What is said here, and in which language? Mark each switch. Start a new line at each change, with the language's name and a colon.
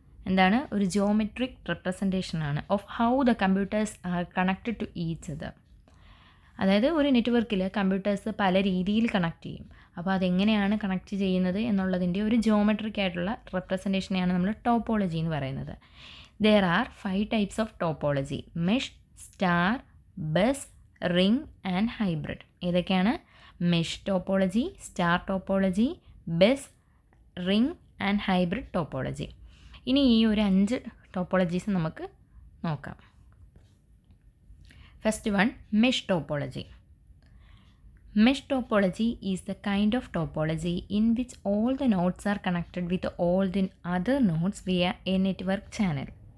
Malayalam: എന്താണ് ഒരു
English: Geometric റെപ്രസെൻറ്റേഷനാണ്? Of how the computers are connected to each other.
Malayalam: അതായത് ഒരു നെറ്റ്വർക്കിൽ കമ്പ്യൂട്ടേഴ്സ് പല രീതിയിൽ കണക്ട് ചെയ്യും. അപ്പോൾ അതെങ്ങനെയാണ് കണക്ട് ചെയ്യുന്നത് എന്നുള്ളതിൻ്റെ ഒരു ജിയോമെട്രിക് ആയിട്ടുള്ള റെപ്രസെൻറ്റേഷനെയാണ് നമ്മൾ ടോപ്പോളജി എന്ന് പറയുന്നത്.
English: There are 5 types of topology: mesh, star, bus, ring and hybrid.
Malayalam: ഏതൊക്കെയാണ്?
English: mesh topology, star topology, bus, ring and hybrid topology.
Malayalam: ഇനി ഈ ഒരു 5 topologies നമുക്ക് നോക്കാം.
English: First one, mesh topology. Mesh topology is the kind of topology in which all the nodes are connected with all the other nodes via a network channel.